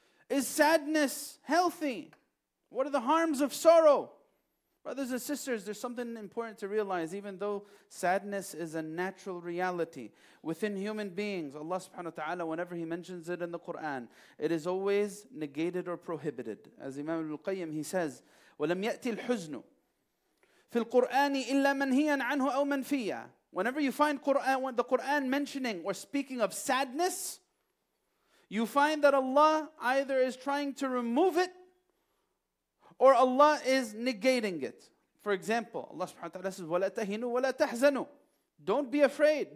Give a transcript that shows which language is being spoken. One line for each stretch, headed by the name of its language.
English: Is sadness healthy? What are the harms of sorrow? Brothers and sisters, there's something important to realize. Even though sadness is a natural reality within human beings, Allah subhanahu wa ta'ala, whenever He mentions it in the Quran, it is always negated or prohibited. As Imam Al-Qayyim, he says,
Arabic: وَلَمْ يَأْتِ الْحُزْنُ فِي الْقُرْآنِ إِلَّا مَنْ هِيًا عَنْهُ أَوْ مَنْ فِيَّ.
English: Whenever you find the Quran mentioning or speaking of sadness, you find that Allah either is trying to remove it or Allah is negating it. For example, Allah subhanahu wa ta'ala says,
Arabic: وَلَا تَهِنُوا وَلَا تَحْزَنُوا.
English: Don't be afraid.